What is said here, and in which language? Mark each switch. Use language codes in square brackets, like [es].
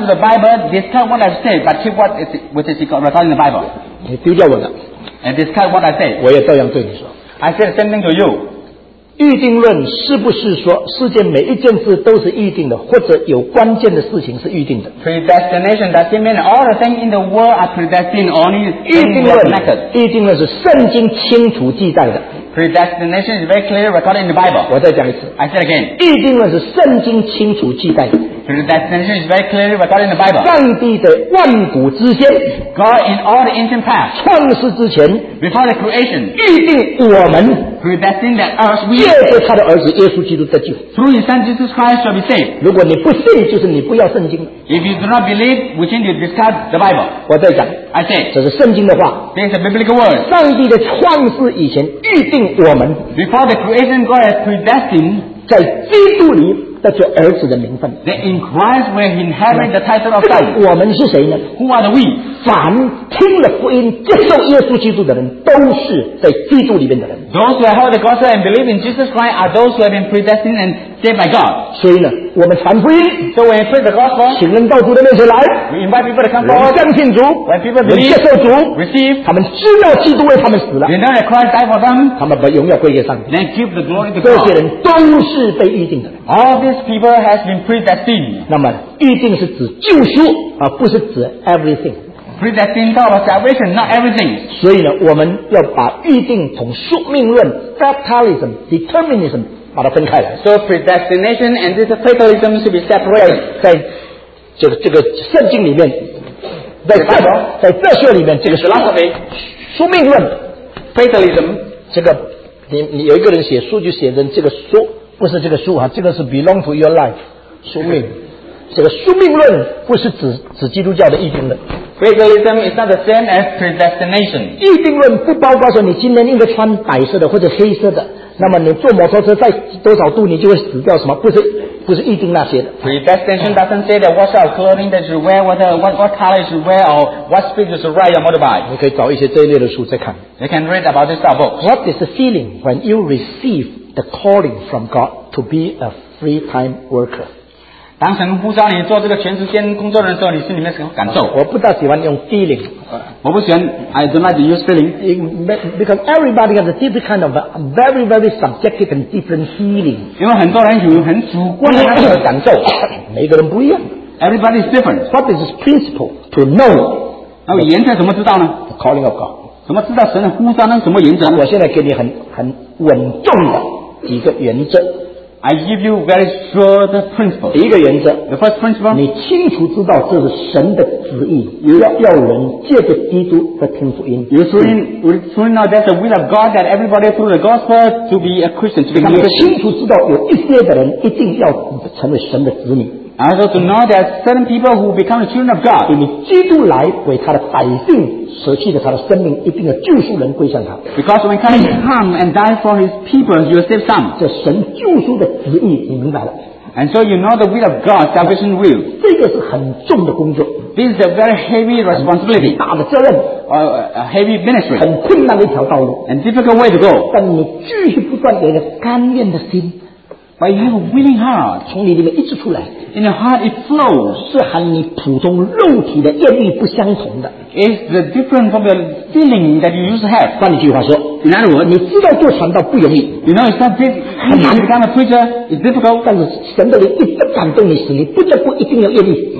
[en] to the Bible, discard what I say, but keep what is recording the Bible. [zh] 你丢掉我的, [en] and discard what I say. [zh] 我也照样对你说, [en] I say the same thing to you. [zh] 预定论是不是说世界每一件事都是预定的, 或者有关键的事情是预定的? [en] Predestination, does it mean all the things in the world are predestined only in the method? [zh] 预定论是圣经清楚记载的。 [en] Predestination is very clear recorded in the Bible. [zh] 我再讲一次, [en] I said again. [zh] 预定论是圣经清楚记载的。 [en] Predestination is very clearly recorded in the Bible. [zh] 上帝的万古之间, [en] God in all the ancient past, [zh] 创世之前, [en] before the creation, [zh] 预定我们, [en] predestined that us, we, [zh] 借着他的儿子耶稣基督得救, [en] through his son Jesus Christ shall be saved. [zh] 如果你不信就是你不要圣经, [en] if you do not believe, which means you discard the Bible. [zh] 我再讲, [en] I say, [zh] 这是圣经的话, [en] this is a biblical word. [zh] 上帝的创世以前, 预定我们, [en] before the creation, God has predestined, [zh] 在基督里, 得着儿子的名分, [en] that in Christ we inherit the title of God. [zh] 我们是谁呢? [en] Who are the we? [zh] 凡听了福音, 接受耶稣基督的人, 都是在基督里面的人。 [en] Those who have heard the gospel and believe in Jesus Christ are those who have been predestined and saved by God. [zh] 所以呢, 我们传福音, [en] so when we preach the gospel, [zh] 请人到主的面前来, [en] we invite people to come forward, [zh] 人相信主, [en] when people believe, [zh] 人接受主, [en] receive, [zh] 他们知道基督为他们死了, [en] they know that Christ died for them, [zh] 他们把荣耀归给上帝, [en] then give the glory to God. [zh] 这些人都是被预定的人。 [en] All these people have been predestined. [zh] 那么预定是指救赎, 而不是指 everything. [en] Predestined for salvation, not everything. [zh] 所以呢, 我们要把预定从宿命论, fatalism, determinism, 把它分开来。 [en] So predestination and this fatalism should be separated. [zh] 在这个圣经里面, 在这里面, 这个philosophy, 宿命论, [en] fatalism, [zh] 这个, 你有一个人写书, 就写成这个书, 不是这个书, 这个是 [en] belong to your life, [zh] 宿命, 这个宿命论, 不是指基督教的预定论。 [en] Fatalism is not the same as predestination. [zh] 预定论不包括说你今天应该穿白色的, 或者黑色的, 那么你坐摩托车在多少度你就会死掉什么, 不是预定那些的。 [en] Predestination doesn't say that what sort of clothing that you wear, whether what color you wear, or what speed you should ride your motorbike. [zh] 你可以找一些这一类的书再看。 [en] You can read about this type of books. What is the feeling when you receive the calling from God to be a free-time worker? [zh] 当神呼召你做这个全职兼工作的时候，你心里面什么感受？我不大喜欢用 feeling. 我不喜欢, [en] I don't like to use feeling. Because everybody has a different kind of a very, very subjective and different feeling. [zh] 因为很多人有很主观的感受。每个人不一样。 [en] Everybody is different. What is this principle? To know. [zh] 那原则怎么知道呢？ [en] The calling of God. [zh] 怎么知道神的呼召呢？什么原则？我现在给你很稳重的几个原则。 [en] I give you very sure the principle. [zh] 第一个原则, [en] the first principle, [zh] 你清楚知道这是神的旨意, 要人借着基督的听福音。 [en] You truly know that's the will of God, that everybody through the gospel to be a Christian, to become a Christian. [zh] 清楚知道有一些的人一定要成为神的子女。 [en] I also to know that certain people who become the children of God, [zh] 因为基督来为他的百姓, 舍弃了他的生命, 一定要救赎人归向他。 [en] Because when Christ come and die for his people, you will save some. [zh] 这神救赎的旨意, 你明白了。 [en] And so you know the will of God, salvation will. [zh] 这个是很重的工作。 [en] This is a very heavy responsibility. [zh] 很大的责任, [en] a heavy ministry. [zh] 很困难的一条道路, [en] and difficult way to go. [zh] 但你继续不断有一个甘愿的心, [en] but you have a willing heart, [zh] 从你里面一直出来, [en] in your heart it flows, [zh] 是和你普通肉体的愿意不相同的。 [en] It's different from the feeling that you used to have. [zh] 换一句话说, [en] In other words, [zh] 你知道做传道不容易。 [en] You know, it's not easy to become a preacher. It's difficult. [zh] 但是神的灵一直感动你时，你不得不一定要愿意。